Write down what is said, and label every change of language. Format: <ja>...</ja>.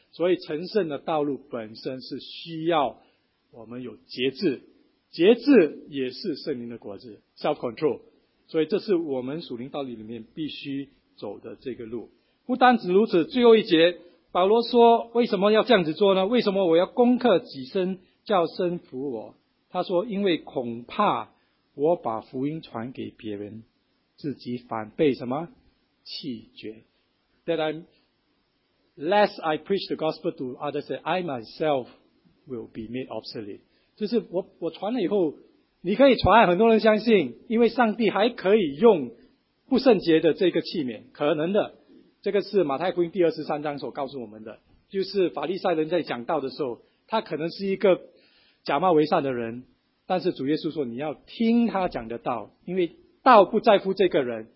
<zh>所以成圣的道路本身是需要我们有节制，节制也是圣灵的果子 self control， 所以这是我们属灵道理里面必须走的这个路。不单止如此，最后一节保罗说为什么要这样子做呢？为什么我要攻克己身，叫身服我？他说因为恐怕我把福音传给别人，自己反被什么弃绝。</zh> <en>That I'm less I preach the gospel to others, I myself will be made obsolete。</en> <zh>就是我传了以后，你可以传，很多人相信，因为上帝还可以用不圣洁的这个器皿，可能的，这个是马太福音第二十三章所告诉我们的，就是法利赛人在讲道的时候，他可能是一个假冒为善的人，但是主耶稣说你要听他讲的道，因为道不在乎这个人。</zh>